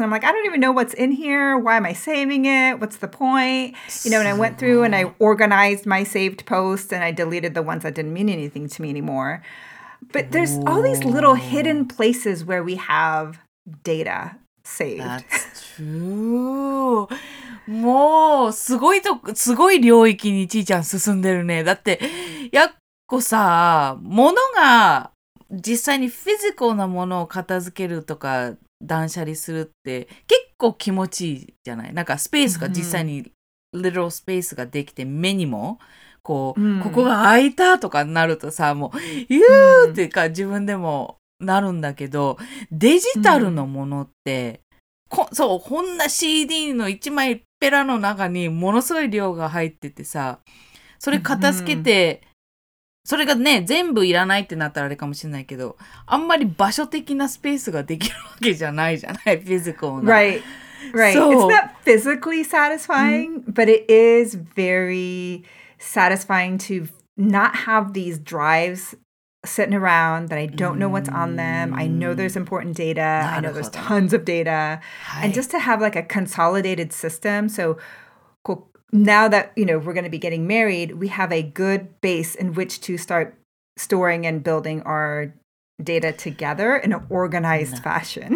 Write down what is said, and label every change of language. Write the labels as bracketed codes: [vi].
[en] And I'm like, I don't even know what's in here. Why am I saving it? What's the point? You know, and I went through and I organized my saved posts and I deleted the ones that didn't mean anything to me anymore. But there's all these little hidden places where we have data saved. That's true. [ja] もうすごいとすごい領域にちいちゃん進んでるね。だってやっこさ、物が実際にフィジカルなものを片付けるとか断捨離するって結構気持ちいいじゃない。なんかスペースが実際にリトルスペースができて目にもこう、ここが空いたとかなるとさ、もうゆーっていうか自分でもなるんだけど、デジタルのものって、そう、こんな CD の一枚ペラの中にものすごい量が入っててさ、それ片付けて、それがね、全部いらないってなったらあれかもしれないけど、あんまり場所的なスペースができるわけじゃないじゃない、フィジカルな。 [en] Right, right. So, it's not physically satisfying, but it is very satisfying to not have these drives sitting around that I don't know what's on them. I know there's important data. I know there's tons of data. And just to have like a consolidated system. So now that, you know, we're going to be getting married, we have a good base in which to start storing and building our data together in an organized fashion.